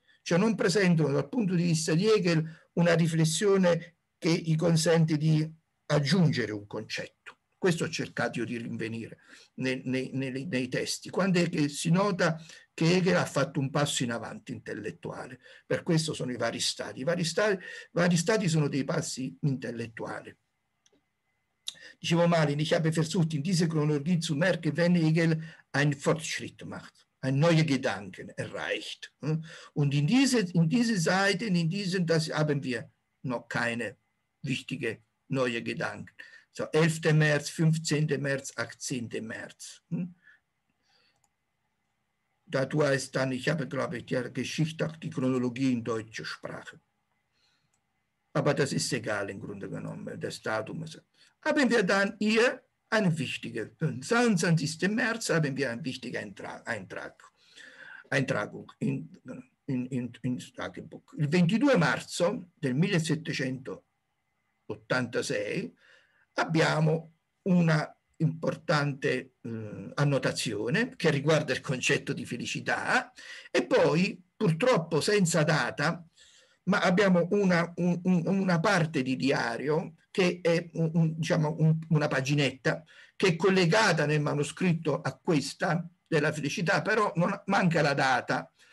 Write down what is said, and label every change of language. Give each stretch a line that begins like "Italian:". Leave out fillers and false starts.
Italian: Cioè non presentano, dal punto di vista di Hegel, una riflessione che gli consente di aggiungere un concetto. Questo ho cercato io di rinvenire nei testi. Quando è che si nota che Hegel ha fatto un passo in avanti intellettuale? Per questo sono i vari stadi. I vari stadi sono dei passi intellettuali. Dicevo male,
German: ich habe versucht, in diese Chronologie zu merken, wenn Hegel einen Fortschritt macht, ein neue Gedanken erreicht. Und in diese Seiten, in diesen, das haben wir noch keine wichtige neue Gedanken. So, 11. März, 15. März, 18. März. Da du heißt dann, ich habe, glaube ich, die Geschichte, auch die Chronologie in deutscher Sprache. Aber das ist egal im Grunde genommen, das Datum. Haben wir dann hier einen wichtigen, 22. März haben wir einen wichtigen Eintragung in das Tagebuch.
Italian: Il 22 marzo del 1786 abbiamo una importante annotazione che riguarda il concetto di felicità e poi, purtroppo senza data, ma abbiamo una parte di diario che è una paginetta che è collegata nel manoscritto a questa della felicità, però non, manca la data.